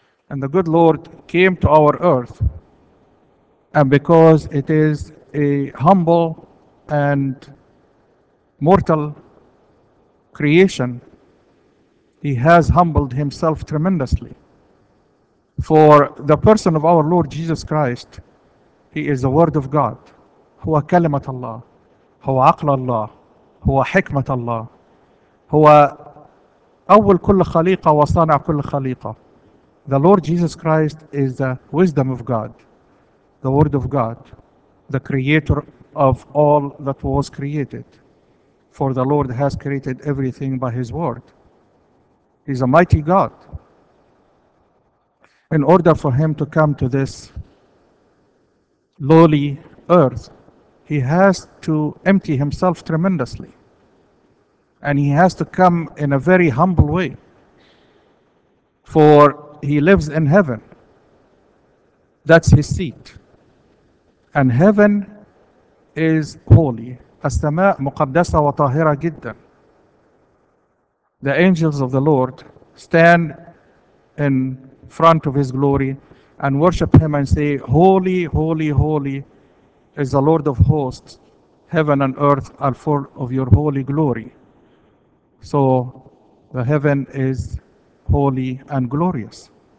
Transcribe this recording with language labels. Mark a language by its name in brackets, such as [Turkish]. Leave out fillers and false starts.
[English] And the good Lord came to our earth, and because it is a humble and mortal creation, he has humbled himself tremendously. For the person of our Lord Jesus Christ, he is the Word of God. [Arabic] هو كلمة الله هو عقل الله هو حكمة الله هو أول كل خليقة وصانع كل خليقة. [English] The Lord Jesus Christ is the wisdom of God, the Word of God, the creator of all that was created. For the Lord has created everything by his word. He's a mighty God. In order for him to come to this lowly earth, he has to empty himself tremendously. And he has to come in a very humble way. For he lives in heaven. That's his seat. And heaven is holy. [Arabic] السماء مقدسة وطاهرة جدا. [English] The angels of the Lord stand in front of his glory and worship him and say, holy, holy, holy is the Lord of hosts. Heaven and earth are full of your holy glory. So the heaven is holy and glorious.